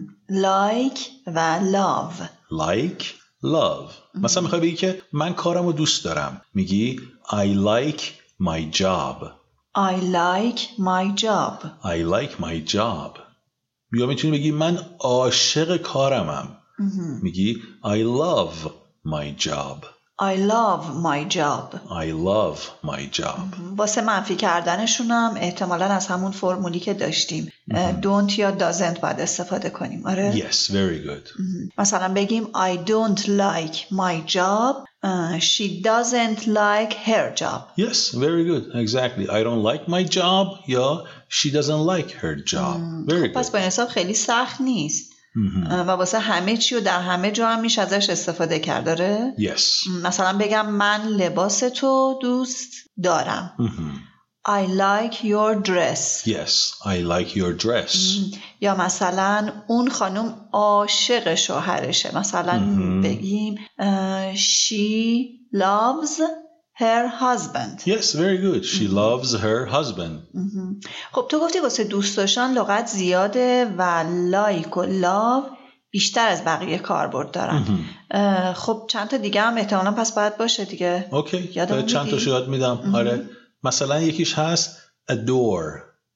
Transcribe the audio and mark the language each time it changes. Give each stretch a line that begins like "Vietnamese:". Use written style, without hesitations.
English: Like و love. Like, love.
Persian: مثلا میخوای بگی که من کارم رو دوست دارم، میگی
English: I like my job. I like my job. I like my job.
Persian: یا میتونی بگی من عاشق کارمم.
English: میگی I love my job. I love my job. I love my job.
Persian: واسه منفی کردنشونم احتمالاً از همون فرمولی که داشتیم don't یا doesn't باید استفاده کنیم. آره؟
English: Yes, very good.
Persian: مثلا بگیم
English: I don't like my job. She doesn't like her job. Yes, very good. Exactly. I don't like my job. یا she doesn't like her job. Very good.
Persian: پس با این حساب خیلی سخت نیست. و واسه همه چی و در همه جا هم میشه ازش استفاده کرد. آره؟
English: Yes.
Persian: مثلا بگم من لباس تو دوست دارم.
English: I like your dress. Yes, I like your dress.
Persian: یا مثلا اون خانم عاشق شوهرشه. مثلا بگیم
English: she loves her husband. Yes, very good. She loves her husband.
Persian: خب تو گفتی واسه دوست داشتن لغت زیاده و like و love بیشتر از بقیه کاربرد دارن. خب چند تا دیگه هم احتمالاً پس باید باشه دیگه. اوکی. چند تا یاد میدم. آره. مثلا یکیش هست adore.